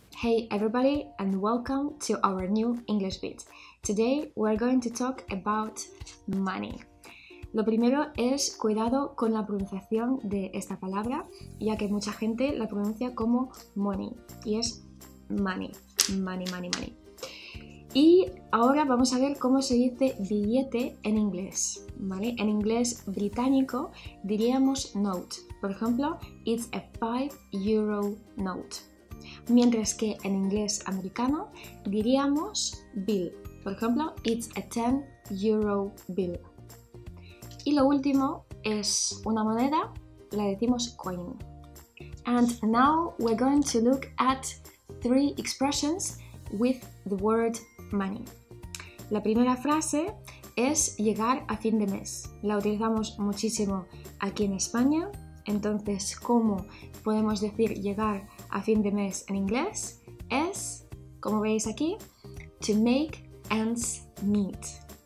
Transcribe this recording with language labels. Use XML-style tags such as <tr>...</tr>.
<en>Hey everybody, and welcome to our new English Beat. Today we're going to talk about money.</en> <es>Lo primero es cuidado con la pronunciación de esta palabra, ya que mucha gente la pronuncia como money, y es money, money, money, money. Y ahora vamos a ver cómo se dice billete en inglés, ¿vale? En inglés británico diríamos note. Por ejemplo,</es> <en>it's a 5 euro note.</en> <es>Mientras que en inglés americano diríamos bill. Por ejemplo,</es> <en>it's a 10 euro bill.</en> <es>Y lo último es una moneda, la decimos coin.</es> <en>And now we're going to look at three expressions with the word money.</en> <es>La primera frase es llegar a fin de mes. La utilizamos muchísimo aquí en España. Entonces, ¿cómo podemos decir llegar a fin de mes en inglés? Es, como veis aquí,</es> <en>to make ends meet.</en>